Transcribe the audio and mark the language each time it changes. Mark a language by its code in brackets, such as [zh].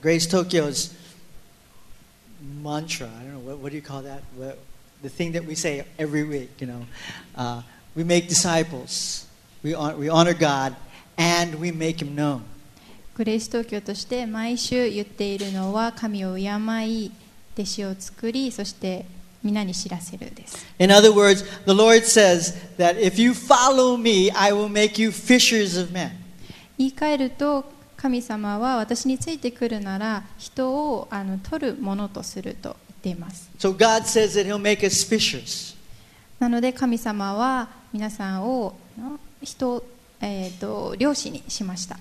[en] Grace Tokyo's mantra. I don't know, what do you call that? The thing that we say every week, you know. We make disciples. We honor God and we make Him known. [ja] グレイス東京として毎週言っているのは神を敬い、弟子を作り、そして皆に知らせるです。 [en] In other words, the Lord says that if you follow me, I will make you fishers of men. [ja] 言い換えると、神様は私についてくるなら、人を取るものとすると言っています。 [en] So God says that He'll make us fishers. [ja] なので神様は皆さんを人漁師にしました。